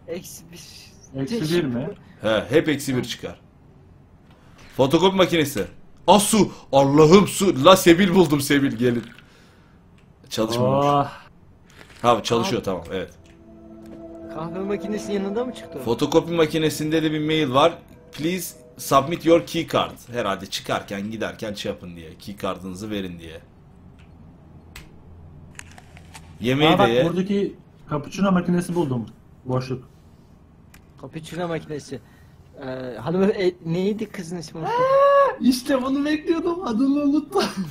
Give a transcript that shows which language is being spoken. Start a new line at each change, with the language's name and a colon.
Turkish: Eksi bir mi? He, hep eksi bir çıkar. Fotokopi makinesi. Ah, su! Allah'ım, su! La Sebil buldum, Sebil gelin. Çalışmamış. Oh. Ha çalışıyor, tamam evet. Kahve makinesinin yanında mı çıktı o? Fotokopi makinesinde de bir mail var.
English: Please submit your key card.
Turkish: Herhalde çıkarken giderken şey yapın diye. Key card'ınızı verin diye. Yemeği bak, de ye. Buradaki cappuccino makinesi buldum. Boşluk. Cappuccino makinesi. Hanım, neydi kızın ismi? İşte bunu bekliyordum. Adını unuttum.